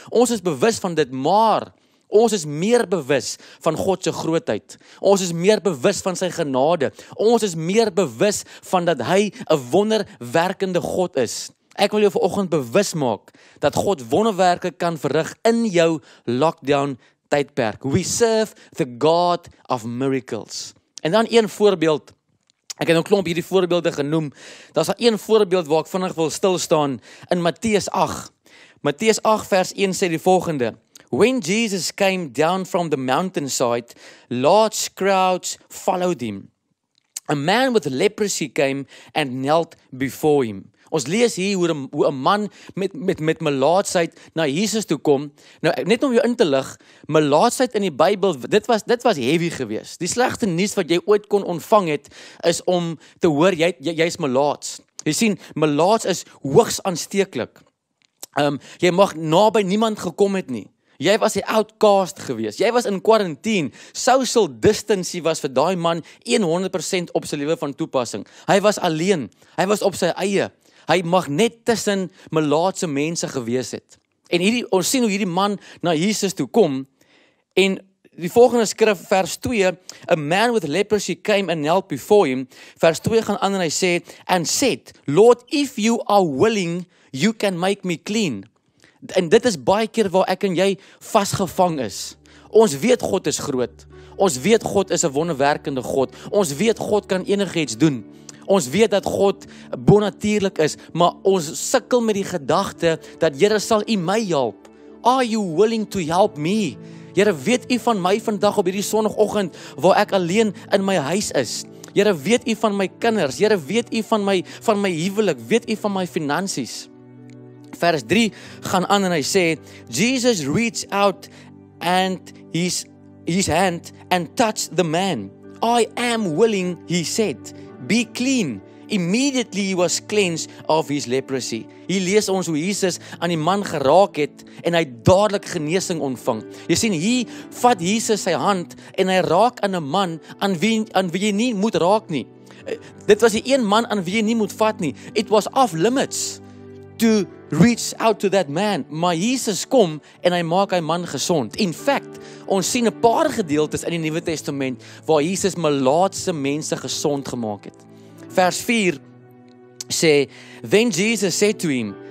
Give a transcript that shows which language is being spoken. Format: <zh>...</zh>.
<af>Ons is bewus van dit, maar ons is meer bewus van God se grootheid. Ons is meer bewus van sy genade. Ons is meer bewus van dat hy 'n wonderwerkende God is. Ek wil jou vanoggend bewus maak dat God wonderwerke kan verrig in jou lockdown tydperk.</af> <en>We serve the God of miracles.</en> <af>En dan een voorbeeld, ek het nou klomp hierdie voorbeelde genoem, daar is een voorbeeld waar ek vinnig wil stilstaan, in Matteus 8. Matteus 8 vers 1 sê die volgende:</af> <en>When Jesus came down from the mountainside, large crowds followed him. A man with leprosy came and knelt before him.</en> <af>Ons lees hier hoe 'n man met melaatsheid na Jesus toe kom. Nou, net om jou in te lig, melaatsheid in die Bybel, dit was heavy gewees. Die slegste nuus wat jy ooit kon ontvang het, is om te hoor, jy's melaats. Jy sien, melaats is hoogs aansteeklik. Jy mag naby niemand gekom het nie. Jy was 'n outcast gewees. Jy was in quarantine. Social distancing was vir daai man 100% op sy lewe van toepassing. Hy was alleen. Hy was op sy eie. Hy mag net tussen melaatse mense gewees het. En hierdie, ons sien hoe hierdie man na Jesus toe kom, en die volgende skrif, vers 2,</af> <en>a man with leprosy came and knelt before him.</en> <af>Vers 2 gaan aan en hy sê,</af> <en>and said, Lord, if you are willing, you can make me clean.</en> <af>En dit is baie keer waar ek en jy vasgevang is. Ons weet God is groot. Ons weet God is 'n wonderwerkende God. Ons weet God kan enigiets doen. Ons weet dat God bonatuurlik is, maar ons sukkel met die gedagte dat Here, sal U my help?</af> <en>Are you willing to help me?</en> <af>Here, weet U van my vandag op hierdie sonoggend waar ek alleen in my huis is? Here, weet U van my kinders? Here, weet U van my huwelik? Weet U van my finansies? Vers 3 gaan aan en hy sê,</af> <en>Jesus reached out and his hand and touched the man. I am willing, he said. Be clean. Immediately he was cleansed of his leprosy.</en> <af>Hier lees ons hoe Jesus aan die man geraak het en hy dadelik genesing ontvang. Jy sien, hier vat Jesus sy hand en hy raak aan 'n man aan wie jy nie moet raak nie. Dit was die een man aan wie jy nie moet vat nie.</af> <en>It was off limits to reach out to that man.</en> <af>Maar Jesus kom en hy maak hy man gesond. In fact, ons sien 'n paar gedeeltes in die Nuwe Testament waar Jesus melaatse mense gesond gemaak het. Vers 4 sê,</af> <en>Then Jesus said to him,</en>